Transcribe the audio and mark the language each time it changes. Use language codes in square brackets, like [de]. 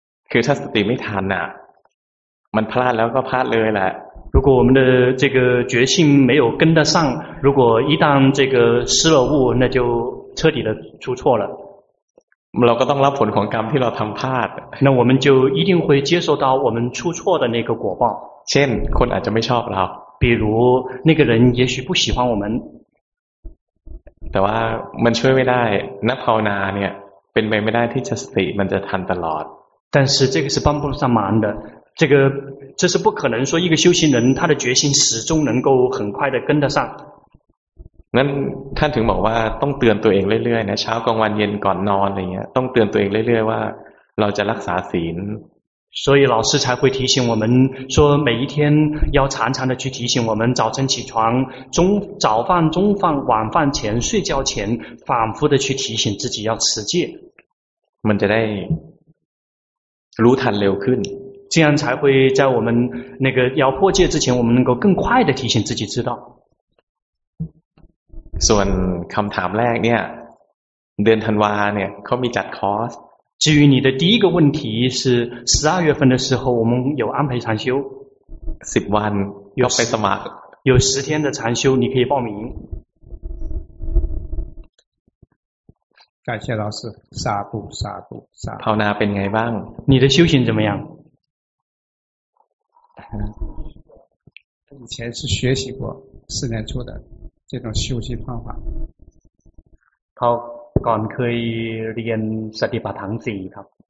[th] คือถ้าสติไม่ทันอ่ะมันพลาดแล้วก็พลาดเลยแหละ [zh] 如果我们的这个决心没有跟得上如果一旦这个失了误那就彻底的出错了 [th] เราก็ต้องรับผลของกรรมที่เราทำพลาด [zh] 那我们就一定会接受到我们出错的那个果报 [th] เช่นคนอาจจะไม่ชอบเรา [zh] 比如那个人也许不喜欢我们 [th] แต่ว่ามันช่วยไม่ได้นักภาวนาเนี่ยเป็นไปไม่ได้ที่จะสติมันจะทันตลอด [zh] 但是这个是帮不上忙的这是不可能说一个修行人他的决心始终能够很快的跟得上 [th] นั่นท่านถึงบอกว่าต้องเตือนตัวเองเรื่อยๆนะเช้ากลางวันเย็นก่อนนอนอะไรเงี้ยต้องเตือนตัวเองเรื่อยๆว่าเราจะรักษาศีล [zh] 所以老师才会提醒我们说每一天要常常的去提醒我们早晨起床早饭中饭晚饭前睡觉前反复的去提醒自己要持戒 [th] มันจะได้รู้ทันเร็วขึ้น เจ้าจะ [zh] 会在我们那个要破戒之前我们能够更快的提醒自己知道 [th] ส่วนคําถามแรกเนี่ยเดือนธันวาเนี่ยเค้ามีจัดคอร์ส [zh] 至于你的第一个问题是12月份的时候我们有安排禅修 [th] 10วันก็ไปสมัคร [zh] 有10天的禅修你可以报名感谢老师 [th] สาธุสาธุสาธุภาวนาเป็นไงบ้าง [zh] 你的修行怎么样以前是学习过四年初的这种修习方法他 [th] ก่อนเคยเรียนสติปัฏฐาน4ครับ